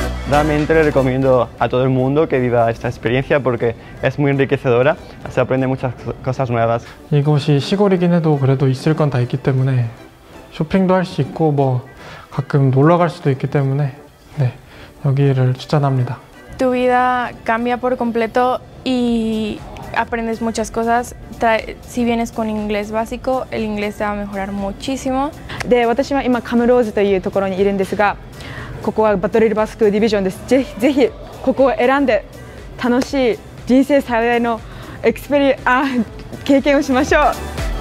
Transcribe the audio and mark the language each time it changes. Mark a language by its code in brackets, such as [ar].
[es] Realmente le recomiendo a todo el mundo que viva esta experiencia porque es muy enriquecedora, se aprende muchas cosas nuevas. [ko] 이곳이 시골이긴 해도 그래도 있을 건 다 있기 때문에 쇼핑도 할 수 있고 뭐 가끔 놀러 갈 수도 있기 때문에 네, 여기를 추천합니다. [es] Tu vida cambia por completo y aprendes muchas cosas. Si vienes con inglés básico, el inglés te va a mejorar muchísimo. [ja] で、 私は今 Camrose というところにいるんですが、ここはバトルリバースクールディビジョンです。ぜひここを選んで楽しい人生最大のエクスペリエンス経験をしましょう。